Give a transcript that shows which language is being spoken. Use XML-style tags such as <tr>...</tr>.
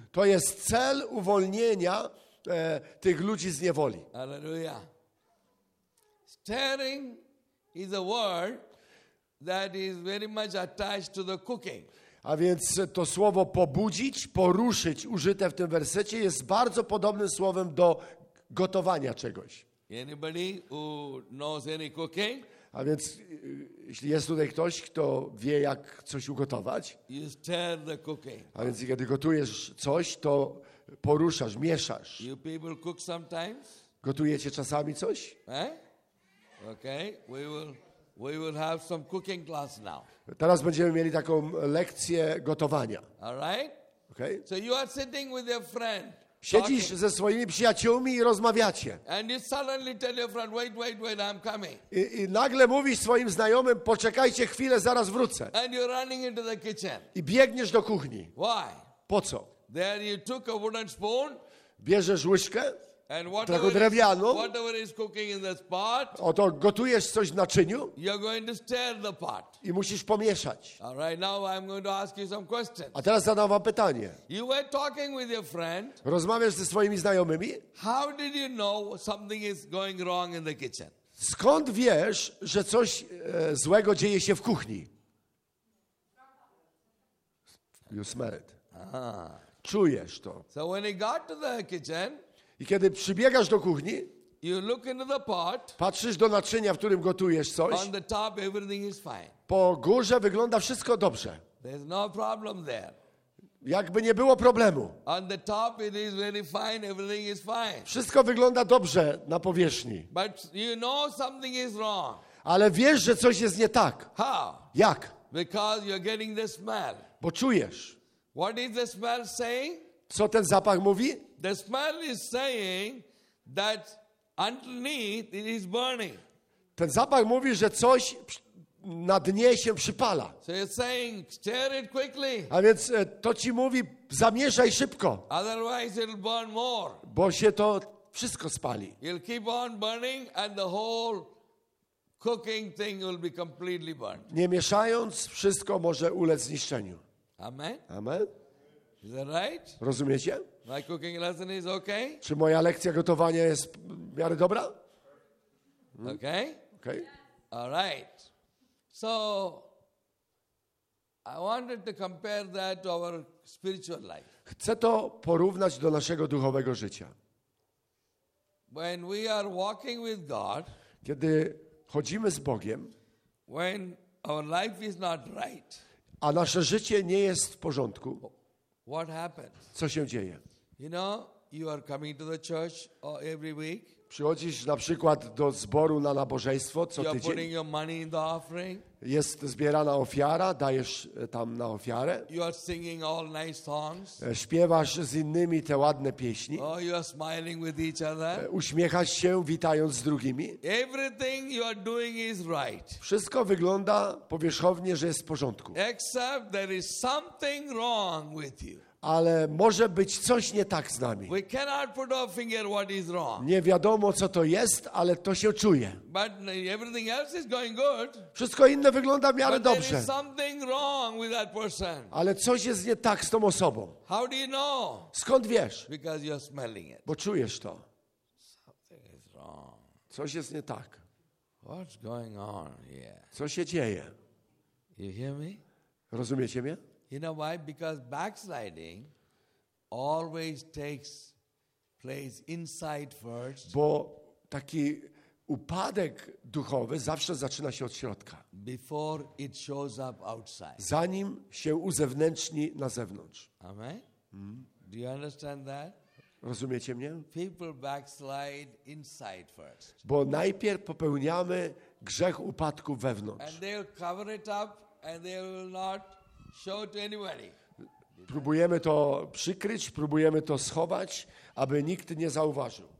<pl>To jest cel uwolnienia tych ludzi z niewoli. Alleluja.</pl> <en>Stirring is a word that is very much attached to the cooking.</en> <pl>A więc to słowo pobudzić, poruszyć, użyte w tym wersecie, jest bardzo podobnym słowem do gotowania czegoś.</pl> <en>Anybody who knows any cooking?</en> <pl>A więc jeśli jest tutaj ktoś, kto wie, jak coś ugotować,</pl> <en>you stir the cooking.</en> <pl>A więc kiedy gotujesz coś, to poruszasz, mieszasz.</pl> <en>You people cook sometimes?</en> <pl>Gotujecie czasami coś?</pl> <en>Okay, we will have some cooking class now.</en> <pl>Teraz będziemy mieli taką lekcję gotowania.</pl> <en>All right? Okay. So you are sitting with your friend.</en> <pl>Siedzisz ze swoimi przyjaciółmi i rozmawiacie.</pl> <en>And you suddenly tell your friend, wait, I'm coming.</en> <pl>I nagle mówisz swoim znajomym, poczekajcie chwilę, zaraz wrócę.</pl> <en>And you're running into the kitchen.</en> <pl>I biegniesz do kuchni.</pl> <en>Why?</en> <pl>Po co?</pl> <en>There you took a wooden spoon.</en> <pl>Bierzesz łyżkę.</pl> <en>And whatever is cooking in this pot,</en> <pl>oto gotujesz coś w naczyniu,</pl> <en>you're going to stir the pot.</en> <pl>I musisz pomieszać.</pl> <en>All right, now I'm going to ask you some questions.</en> <pl>A teraz zadam wam pytanie.</pl> <en>You were talking with your friend.</en> <pl>Rozmawiasz ze swoimi znajomymi.</pl> <en>How did you know something is going wrong in the kitchen?</en> <pl>Skąd wiesz, że coś złego dzieje się w kuchni?</pl> <en>You smell it.</en> <pl>Czujesz to.</pl> <en>So when he got to the kitchen.</en> <pl>I kiedy przybiegasz do kuchni,</pl> <en>you look into the pot,</en> <pl>patrzysz do naczynia, w którym gotujesz coś,</pl> <en>on the top, everything is fine.</en> <pl>Po górze wygląda wszystko dobrze.</pl> <en>There's no problem there.</en> <pl>Jakby nie było problemu.</pl> <en>On the top, it is really fine, everything is fine.</en> <pl>Wszystko wygląda dobrze na powierzchni.</pl> <en>But you know something is wrong.</en> <pl>Ale wiesz, że coś jest nie tak.</pl> <en>How?</en> <pl>Jak?</pl> <en>Because you're getting the smell.</en> <pl>Bo czujesz.</pl> <en>What is the smell saying?</en> <pl>Co ten zapach mówi?</pl> <en>The smell is saying that underneath it is burning.</en> <pl>Ten zapach mówi, że coś na dnie się przypala.</pl> <en>So you're saying, stir it quickly.</en> <pl>A więc to ci mówi, zamieszaj szybko.</pl> <en>Otherwise it'll burn more.</en> <pl>Bo się to wszystko spali.</pl> <en>It'll keep on burning and the whole cooking thing will be completely burned.</en> <pl>Nie mieszając, wszystko może ulec zniszczeniu.</pl> <en>Amen. Amen. Is that right?</en> <pl>Rozumiecie?</pl> <en>My cooking lesson is okay.</en> <pl>Czy moja lekcja gotowania jest w miarę dobra?</pl> <en>Okay. Okay. All right. So I wanted to compare that to our spiritual life.</en> <pl>Chcę to porównać do naszego duchowego życia.</pl> <en>When we are walking with God,</en> <pl>kiedy chodzimy z Bogiem,</pl> <en>when our life is not right,</en> <pl>a nasze życie nie jest w porządku,</pl> <en>what happens?</en> <pl>Co się dzieje?</pl> <en>You know, you are coming to the church every week.</en> <pl>Przychodzisz na przykład do zboru na nabożeństwo co tydzień.</pl> <en>You're putting your money in the offering.</en> <pl>Jest zbierana ofiara, dajesz tam na ofiarę.</pl> <en>You are singing all nice songs.</en> <pl>Śpiewasz z innymi te ładne pieśni.</pl> <en>Oh, you are smiling with each other.</en> <pl>Uśmiechasz się, witając z drugimi.</pl> <en>Everything you are doing is right.</en> <pl>Wszystko wygląda powierzchownie, że jest w porządku.</pl> <en>Except there is something wrong with you.</en> <pl>Ale może być coś nie tak z nami.</pl> <en>We cannot put our finger what is wrong.</en> <pl>Nie wiadomo, co to jest, ale to się czuje.</pl> <en>But everything else is going good.</en> <pl>Wszystko inne wygląda w miarę</pl> <en>but</en> <pl>dobrze.</pl> <en>There is something wrong with that person.</en> <pl>Ale coś jest nie tak z tą osobą.</pl> <en>How do you know?</en> <pl>Skąd wiesz?</pl> <en>Because you're smelling it.</en> <pl>Bo czujesz to.</pl> <en>Something is wrong.</en> <pl>Coś jest nie tak.</pl> <en>What's going on here?</en> <pl>Co się dzieje?</pl> <en>You hear me?</en> <pl>Rozumiecie mnie?</pl> <en>You know why? Because backsliding always takes place inside first.</en> <pl>Bo taki upadek duchowy zawsze zaczyna się od środka.</pl> <en>Before it shows up outside.</en> <pl>Zanim się uzewnętrzni na zewnątrz.</pl> <en>Amen? Do you understand that?</en> <pl>Rozumiecie mnie?</pl> <en>People backslide inside first.</en> <pl>Bo najpierw popełniamy grzech upadku wewnątrz.</pl> <en>And they'll cover it up and they will not show to anybody.</en> <pl>Próbujemy to przykryć, próbujemy to schować, aby nikt nie zauważył.</pl>